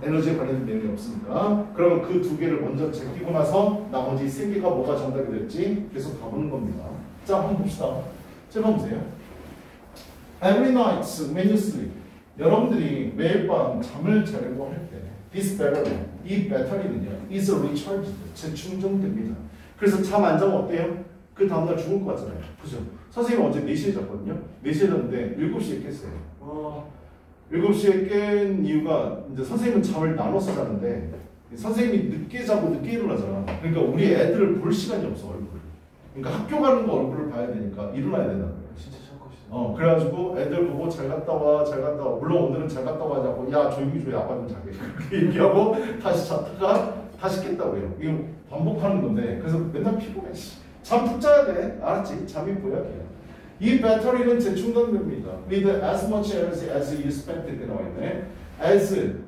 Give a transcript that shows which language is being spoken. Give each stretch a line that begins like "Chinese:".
Korean: 에너지에 관련된 내용이 없으니까. 그러면 그 두 개를 먼저 제끼고 나서 나머지 세 개가 뭐가 정답이 될지 계속 가보는 겁니다. 자, 한번 봅시다. 제발 보세요.
English: Every night when you sleep.
Korean: 여러분들이 매일 밤 잠을 자려고 할 때
English: This battery,
Korean: 이 배터리는요.
English: is recharged,
Korean: 재충전됩니다. 그래서 잠 안 자면 어때요? 그 다음날 죽을 것 같잖아요. 그죠? 선생님 어제 4시에 잤거든요. 4시에 잤는데 7시에 깼어요. 7시에 깬 이유가 이제 선생님은 잠을 나눠서 자는데 선생님이 늦게 자고 늦게 일어나잖아. 그러니까 우리 애들을 볼 시간이 없어 얼굴을. 그러니까 학교 가는 거 얼굴을 봐야 되니까 일어나야 된다. 진짜 잘것이다. 그래가지고 애들 보고 잘 갔다 와, 잘 갔다 와. 물론 오늘은 잘 갔다 와 자고 야 조용히 줘야 아빠 좀 자게. 그렇게 얘기하고 다시 잤다가 다시 깼다고 해요. 이거 반복하는 건데 그래서 맨날 피곤해. 잠 푹 자야 돼. 알았지? 잠이 보약이야. 이 배터리는 재충전됩니다.
English: With as much energy as you spent.
Korean: 이렇게 나와있네.
English: As